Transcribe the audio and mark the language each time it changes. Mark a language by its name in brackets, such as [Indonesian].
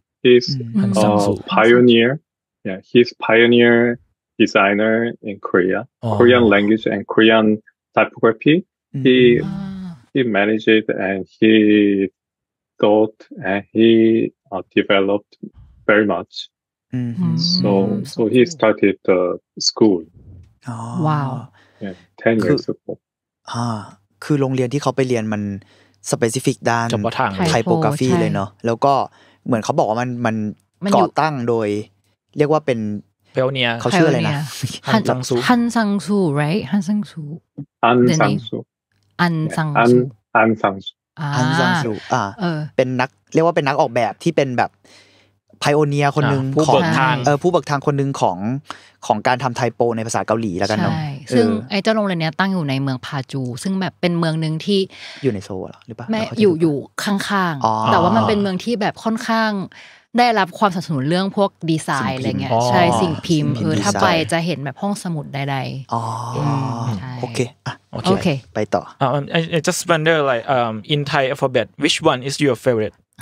[English] He's a pioneer. Yeah, he's pioneer designer in Korea, Korean language and Korean typography. He managed and he thought and he developed very much. Mm-hmm. So he started the school. Oh. Wow. Yeah, 10 years ago. [Thai] คือโรงเรียนที่เขาไปเรียนมัน specific ด้าน เฉพาะทาง typography เลยเนาะแล้วก็เหมือนเขาบอกว่ามันก่อตั้งโดยเรียกว่าเป็น เพลเนีย เขาชื่ออะไรนะ ฮันซังซู ฮันซังซู right ฮันซังซู อันซังซู อันซังซู อันซังซู อันซังซู เ ป็นนักเรียกว่าเป็นนักออกแบบที่เป็นแบบไพโอเนียคนนึงของผู้เบิกทางคนนึงของการทำไทโปในภาษาเกาหลีแล้วกันเนาะ ใช่ซึ่งไอ้เจ้าโรงเรียนเนี้ยตั้งอยู่ในเมืองพาจูซึ่งแบบเป็นเมืองนึงที่ อยู่ในโซลหรือเปล่า แม่อยู่ข้างๆแต่ว่ามันเป็นเมืองที่แบบค่อนข้างได้รับความสนับสนุนเรื่องพวกดีไซน์อะไรเงี้ยใช่สิ่งพิมพ์ถ้าไปจะเห็นแบบห้องสมุดใดๆ อ๋ อ ใช่โอเคอ่ะ โอเค ไปต่ออ [English] I just wonder like in Thai alphabet which one is your favorite